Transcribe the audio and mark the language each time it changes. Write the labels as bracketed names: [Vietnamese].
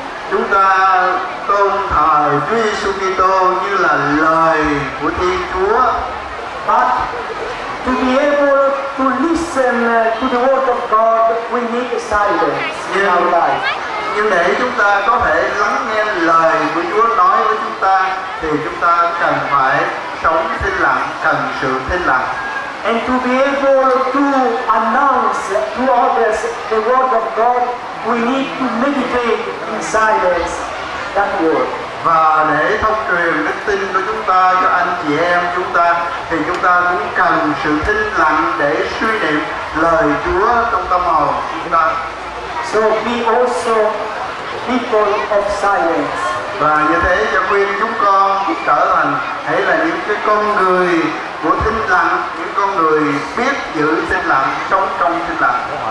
[Vietnamese] chúng ta tôn thờ Chúa Giêsu Kitô như là lời của Thiên Chúa. [English] But to be able to listen to the word of God, we need silence in our life. [Vietnamese] Nhưng để chúng ta có thể lắng nghe lời của Chúa nói với chúng ta, thì chúng ta cần phải sống thinh lặng, cần sự thinh lặng. [English] And to be able to announce to others the word of God, we need to meditate in silence that word. [Vietnamese] Và để thông truyền đức tin của chúng ta cho anh chị em chúng ta, thì chúng ta cũng cần sự thinh lặng để suy niệm lời Chúa trong tâm hồn chúng ta. [English] So be also people of silence. [Vietnamese] Và như thế cho khuyên chúng con cũng trở thành hãy là những cái con người của thinh lặng, những con người biết giữ thinh lặng, sống trong thinh lặng.